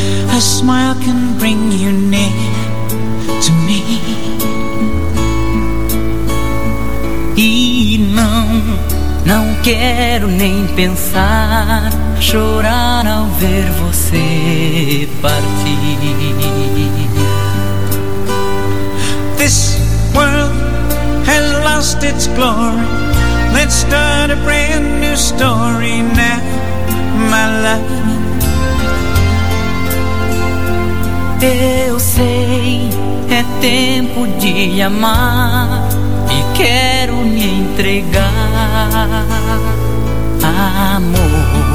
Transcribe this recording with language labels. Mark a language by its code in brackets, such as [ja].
[en] A smile can bring you near to me. [pt] E não quero nem pensar, chorar ao ver você partir. [en] This world has lost its glory. Let's start a brand new story now, my love. [pt] Eu sei, é tempo de amar e quero me entregar, amor.